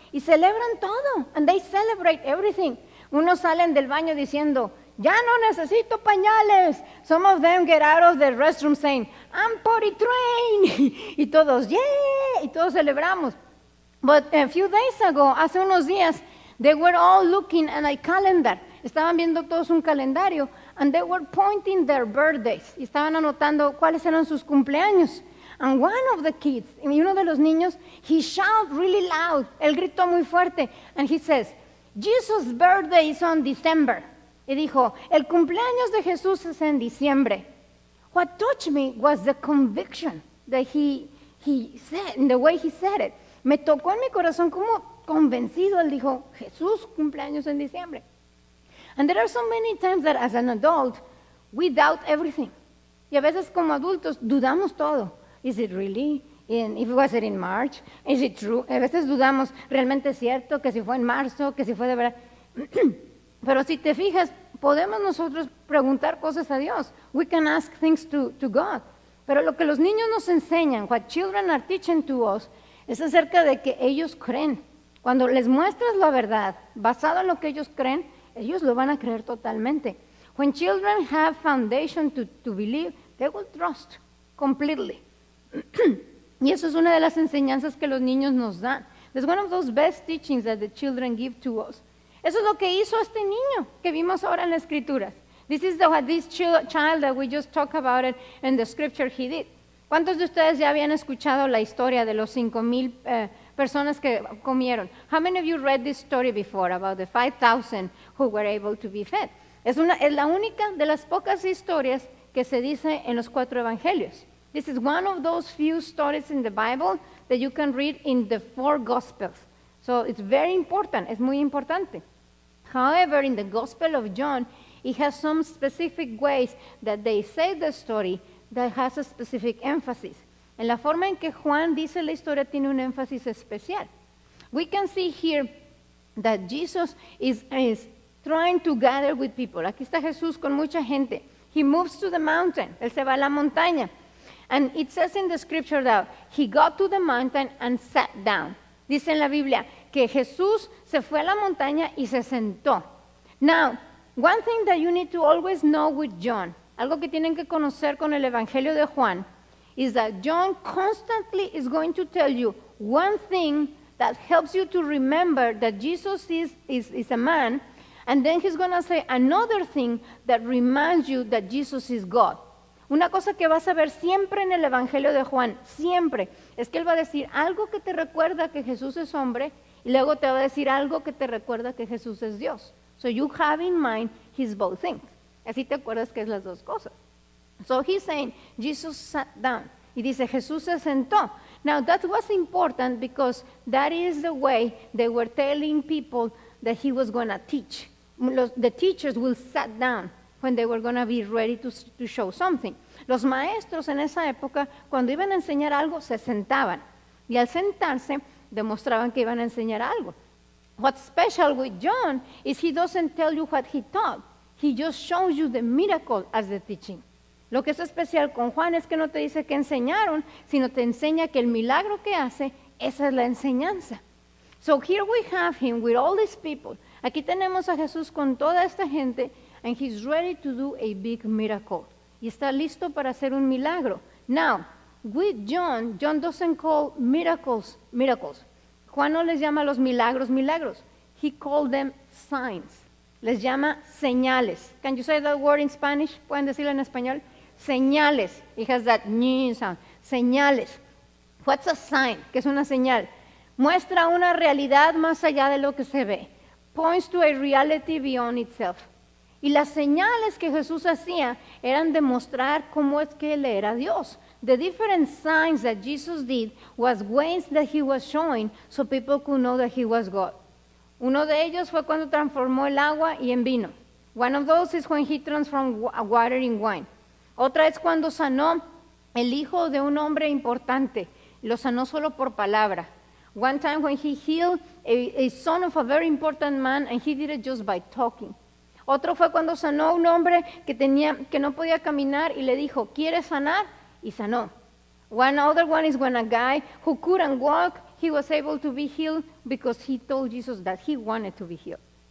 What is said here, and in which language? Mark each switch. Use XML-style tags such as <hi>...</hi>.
<es>Y celebran todo.</es> <en>And they celebrate everything.</en> <es>Unos salen del baño diciendo, ya no necesito pañales.</es> <en>Some of them get out of the restroom saying, I'm potty trained.</en> <es>Y todos, yay, y todos celebramos.</es> <en>But a few days ago,</en> <es>hace unos días,</es> <en>they were all looking at a calendar.</en> <es>estaban viendo todos un calendario,</es> <en>and they were pointing their birthdays,</en> <es>y estaban anotando cuáles eran sus cumpleaños.</es> <en>And one of the kids,</en> <es>y uno de los niños,</es> <en>he shouted really loud,</en> <es>él gritó muy fuerte,</es> <en>and he says, Jesus' birthday is on December.</en> <es>Y dijo, el cumpleaños de Jesús es en diciembre.</es> <en>What touched me was the conviction that he said, in the way he said it.</en> <es>Me tocó en mi corazón como convencido, él dijo, Jesús, cumpleaños en diciembre.</es> <en>And there are so many times that as an adult, we doubt everything.</en> <es>Y a veces como adultos, dudamos todo.</es> <en>Is it really? Was it in March? Is it true?</en> <es>A veces dudamos, ¿realmente es cierto? ¿Que si fue en marzo? ¿Que si fue de verdad? Pero si te fijas, podemos nosotros preguntar cosas a Dios.</es> <en>We can ask things to God.</en> <es>Pero lo que los niños nos enseñan,</es> <en>what children are teaching to us,</en> <es>es acerca de que ellos creen. Cuando les muestras la verdad, basado en lo que ellos creen, ellos lo van a creer totalmente.</es> <en>When children have foundation to believe, they will trust completely.</en> <es>Y eso es una de las enseñanzas que los niños nos dan.</es> <en>It's one of those best teachings that the children give to us.</en> <es>Eso es lo que hizo este niño que vimos ahora en las escrituras.</es> <en>This is what this child that we just talked about it in the scripture he did.</en> <es>¿Cuántos de ustedes ya habían escuchado la historia de los 5,000 personas que comieron?</es> <en>How many of you read this story before about the 5,000 who were able to be fed?</en> <es>Es la única de las pocas historias que se dice en los cuatro evangelios.</es> <en>This is one of those few stories in the Bible that you can read in the four Gospels. So it's very important,</en> <es>es muy importante.</es> <en>However, in the Gospel of John, it has some specific ways that they say the story that has a specific emphasis.</en> <es>En la forma en que Juan dice la historia tiene un énfasis especial.</es> <en>We can see here that Jesus is trying to gather with people.</en> <es>Aquí está Jesús con mucha gente.</es> <en>He moves to the mountain,</en> <es>él se va a la montaña.</es> <en>And it says in the scripture that he got to the mountain and sat down.</en> <es>Dice en la Biblia que Jesús se fue a la montaña y se sentó.</es> <en>Now, one thing that you need to always know with John,</en> <es>algo que tienen que conocer con el Evangelio de Juan,</es> <en>is that John constantly is going to tell you one thing that helps you to remember that Jesus is a man, and then he's going to say another thing that reminds you that Jesus is God.</en> <es>Una cosa que vas a ver siempre en el Evangelio de Juan, siempre, es que él va a decir algo que te recuerda que Jesús es hombre y luego te va a decir algo que te recuerda que Jesús es Dios.</es> <en>So you have in mind his both things.</en> <es>Así te acuerdas que es las dos cosas.</es> <en>So he's saying, Jesus sat down.</en> <es>Y dice, Jesús se sentó.</es> <en>Now that was important because that is the way they were telling people that he was going to teach. The teachers will sat down when they were going to be ready to show something.</en> <es>Los maestros en esa época, cuando iban a enseñar algo, se sentaban. Y al sentarse, demostraban que iban a enseñar algo.</es> <en>What's special with John is he doesn't tell you what he taught. He just shows you the miracle as the teaching.</en> <es>Lo que es especial con Juan es que no te dice qué enseñaron, sino te enseña que el milagro que hace, esa es la enseñanza.</es> <en>So here we have him with all these people.</en> <es>Aquí tenemos a Jesús con toda esta gente,</es> <en>and he's ready to do a big miracle.</en> <es>Y está listo para hacer un milagro.</es> <en>Now, with John, John doesn't call miracles, miracles.</en> <es>Juan no les llama los milagros, milagros.</es> <en>He called them signs.</en> <es>Les llama señales.</es> <en>Can you say that word in Spanish?</en> <es>¿Pueden decirlo en español? Señales.</es> <en>It has that ñ sound. Señales. What's a sign?</en> <es>¿Qué es una señal? Muestra una realidad más allá de lo que se ve.</es> <en>Points to a reality beyond itself.</en> <es>Y las señales que Jesús hacía eran demostrar cómo es que Él era Dios.</es> <en>The different signs that Jesus did was ways that He was showing so people could know that He was God.</en> <es>Uno de ellos fue cuando transformó el agua y en vino.</es> <en>One of those is when He transformed water in wine.</en> <es>Otra es cuando sanó el hijo de un hombre importante. Lo sanó solo por palabra.</es> <en>One time when He healed a son of a very important man and He did it just by talking.</en> <es>Otro fue cuando sanó a un hombre que no podía caminar y le dijo, ¿quieres sanar? Y sanó.</es> <en>One other one is when a guy who couldn't walk, he was able to be healed because he told Jesus that he wanted to be healed.</en>